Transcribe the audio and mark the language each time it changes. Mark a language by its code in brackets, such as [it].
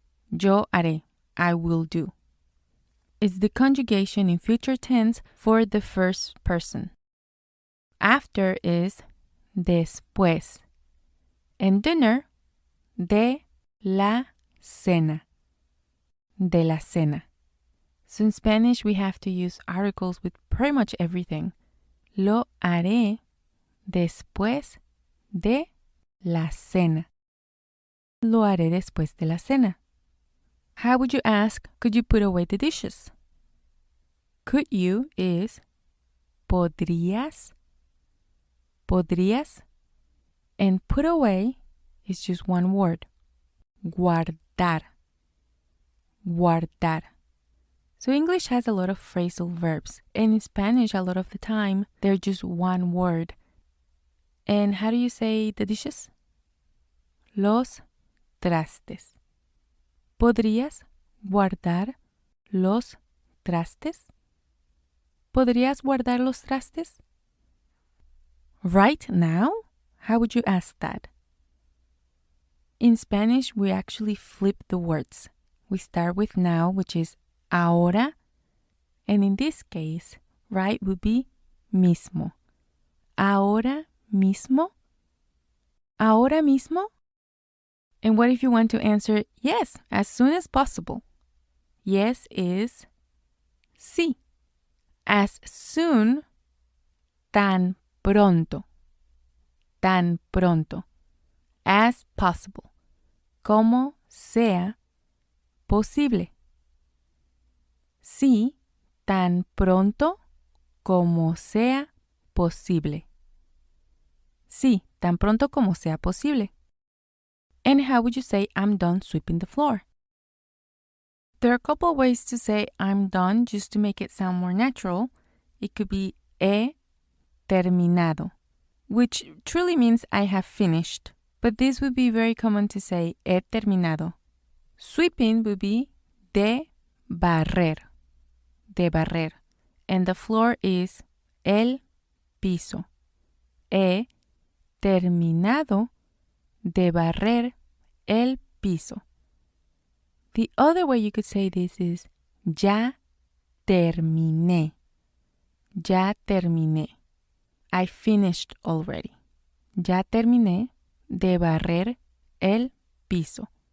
[es] Yo haré. [en] I will do. Is the conjugation in future tense for the first person. After is [es] después. [en] And dinner, [es] de la cena. De la cena. [en] So in Spanish, we have to use articles with pretty much everything. [es] Lo haré después de la cena. Lo haré después de la cena. [en] How would you ask, could you put away the dishes? Could you is [es] podrías, podrías, [en] and put away is just one word, [es] guardar, guardar. [en] So English has a lot of phrasal verbs, and in Spanish, a lot of the time, they're just one word. And how do you say the dishes? [es] Los trastes. ¿Podrías guardar los trastes? ¿Podrías guardar los trastes? [en] Right now? How would you ask that? In Spanish, we actually flip the words. We start with now, which is [es] ahora. [en] And in this case, right would be [es] mismo. Ahora mismo. Ahora mismo. [en] And what if you want to answer yes, as soon as possible? Yes is [es] sí. [en] As soon, [es] tan pronto. Tan pronto. [en] As possible. [es] Como sea posible. Sí, tan pronto como sea posible. Sí, tan pronto como sea posible. [en] And how would you say I'm done sweeping the floor? There are a couple of ways to say I'm done just to make it sound more natural. It could be [es] he terminado, [en] which truly means I have finished. But this would be very common to say [es] he terminado. [en] Sweeping would be [es] de barrer. De barrer. [en] And the floor is [es] el piso. He terminado de barrer el piso. [en] The other way you could say this is [es] ya terminé. Ya terminé. [en] I finished already. [es] Ya terminé de barrer el piso.